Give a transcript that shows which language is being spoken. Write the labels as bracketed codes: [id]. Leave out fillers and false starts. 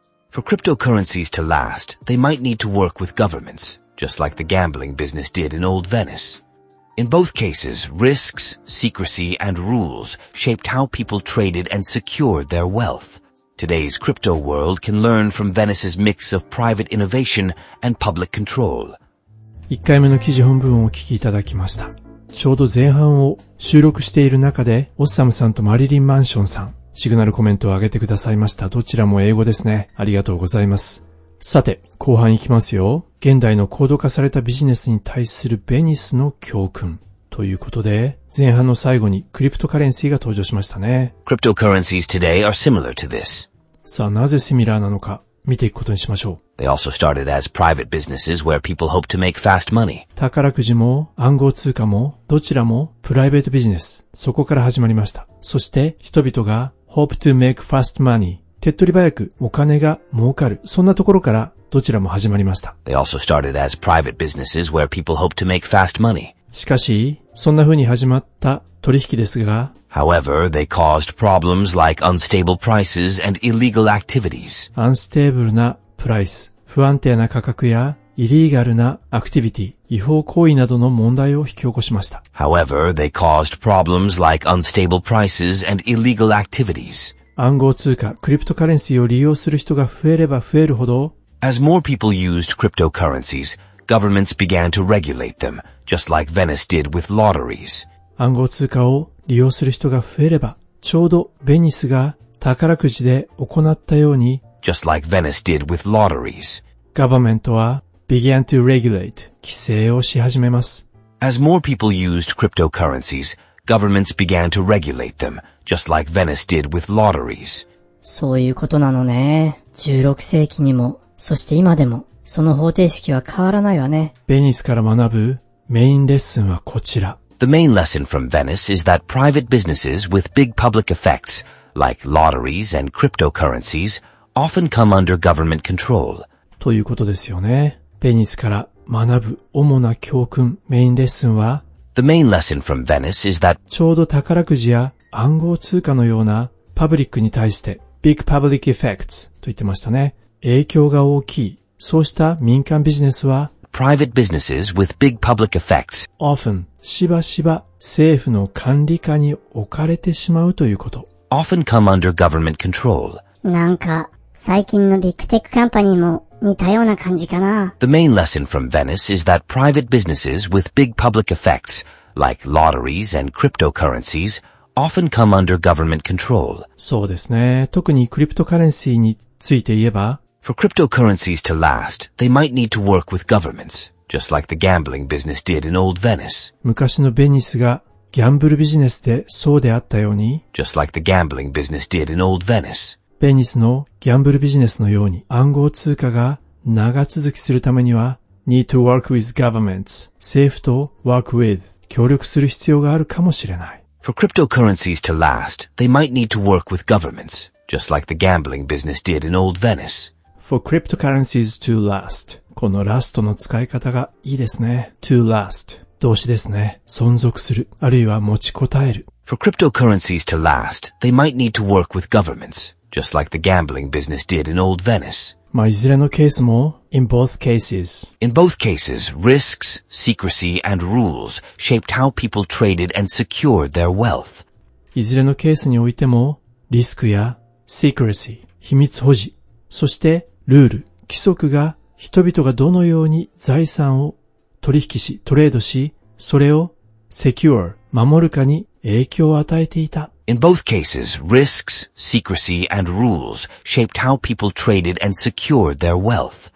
[en] For cryptocurrencies to last, they might need to work with governments, just like the gambling business did in old Venice. In both cases, risks, secrecy, and rules shaped how people traded and secured their wealth. Today's crypto world can learn from Venice's mix of private innovation and public control. [ja] 一回目の記事本文をお聞きいただきました。ちょうど前半を収録している中で、オッサムさんとマリリンマンションさん、シグナルコメントを上げてくださいました。どちらも英語ですね。ありがとうございます。さて、後半行きますよ。現代の高度化されたビジネスに対するベニスの教訓。ということで、前半の最後にクリプトカレンシーが登場しましたね。 [en] Cryptocurrencies today are similar to this. [ja] さあ、なぜシミラーなのか。見ていくことにしましょう。 [en] They also started as private businesses where people hoped to make fast money. [ja] 宝くじも暗号通貨もどちらもプライベートビジネス。そこから始まりました。そして人々が [en] hope to make fast money。 [ja] 手っ取り早くお金が儲かる。そんなところからどちらも始まりました。 [en] They also started as private businesses where people hoped to make fast money. [ja] しかし、そんな風に始まった取引ですが、 [en] However, they caused problems like unstable prices and illegal activities. [ja] Unstable なプライス、不安定な価格や、illegal なアクティビティ、違法行為などの問題を引き起こしました。 [en] However, they caused problems like unstable prices and illegal activities. [ja] 暗号通貨、クリプトカレンシーを利用する人が増えれば増えるほど、 [en] As more people used cryptocurrencies, governments began to regulate them, just like Venice did with lotteries. [ja] 暗号通貨を利用する人が増えれば、ちょうどベニスが宝くじで行ったように、 [en] Just like Venice did with lotteries. [ja] Government は [en] began to regulate [ja] 規制をし始めます。 [en] As more people used cryptocurrencies, governments began to regulate them, just like Venice did with lotteries. [ja] そういうことなのね。 16世紀にも、そして今でも、その方程式は変わらないわね。ベニスから学ぶメインレッスンはこちら。 [en] The main lesson from Venice is that private businesses with big public effects, like lotteries and cryptocurrencies, often come under government control. [ja] ということですよね。ベニスから学ぶ主な教訓、メインレッスンは、 [en] The main lesson from Venice is that [ja] ちょうど宝くじや暗号通貨のようなパブリックに対して、 [en] Big Public Effects [ja] と言ってましたね。影響が大きい、そうした民間ビジネスは、 [en] Private businesses with big public effects [ja] often しばしば政府の管理下に置かれてしまうということ。 [en] often come under government control. [ja] なんか、最近のビッグテックカンパニーも似たような感じかな。 [en] The main lesson from Venice is that private businesses with big public effects, like lotteries and cryptocurrencies, often come under government control. [ja] そうですね。特にクリプトカレンシーについて言えば、 [en] For cryptocurrencies to last, they might need to work with governments, just like the gambling business did in old Venice. [ja] 昔のベニスがギャンブルビジネスでそうであったように、 [en] just like the gambling business did in old Venice. [ja] ベニスのギャンブルビジネスのように暗号通貨が長続きするためには [en] need to work with governments [ja] 政府と work with 協力する必要があるかもしれない。 [en] For cryptocurrencies to last, they might need to work with governments, just like the gambling business did in old Venice. For cryptocurrencies to last, [ja] このラストの使い方がいいですね。 [en] to last [ja] 動詞ですね。存続するあるいは持ちこたえる。 [en] For cryptocurrencies to last, they might need to work with governments. Just like the gambling business did in old Venice. [ja] まあ、いずれのケースも、 [en] in both cases. In both cases, risks, secrecy, and rules shaped how people traded and secured their wealth. [ja] いずれのケースにおいても、リスクや secrecy、秘密保持、そしてルール、規則が人々がどのように財産を取引し、トレードし、それを secure、守るかに影響を与えていた。 [en] In both cases, risks, secrecy, and rules shaped how people traded and secured their wealth.